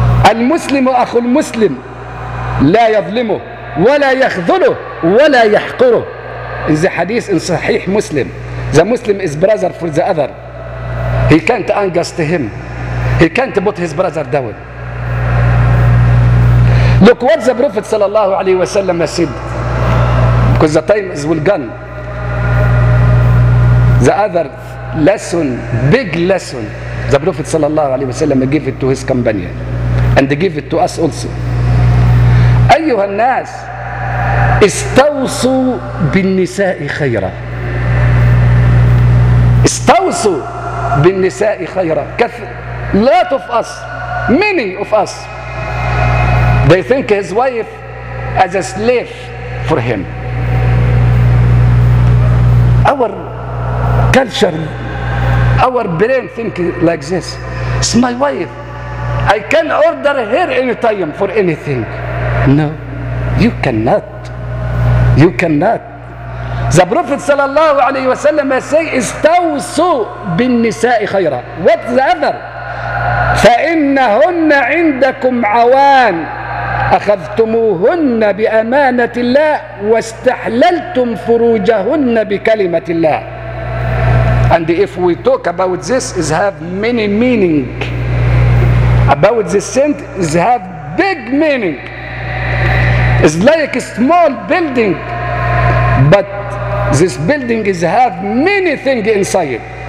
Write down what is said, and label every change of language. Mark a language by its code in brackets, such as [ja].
[ar] المسلم أخو المسلم لا يظلمه ولا يخذله ولا يحقره. [en] In the hadith in Sahih Muslim, the Muslim is brother for the other. He can't unjust him. He can't put his brother down. Look what the Prophet صلى الله عليه وسلم said. Because the time is will gone. The other lesson, big lesson, the Prophet صلى الله عليه وسلم gave it to his companion and gave it to us also. [ar] أيها الناس استوصوا بالنساء خيرا. استوصوا بالنساء خيرا. [en] Lot of us, many of us, they think his wife as a slave for him. Our culture, our brain think like this. It's my wife. I can order her anytime for anything. No, you cannot. You cannot. The Prophet صلى الله عليه وسلم say, [ar] استوصوا بالنساء خيرا. [en] What the other? [ar] فإنهن عندكم عوان أخذتموهن بأمانة الله واستحللتم فروجهن بكلمة الله. [en] And if we talk about this, it has many meaning. About this saint, it has big meaning. It's like a small building, but this building is have many things inside.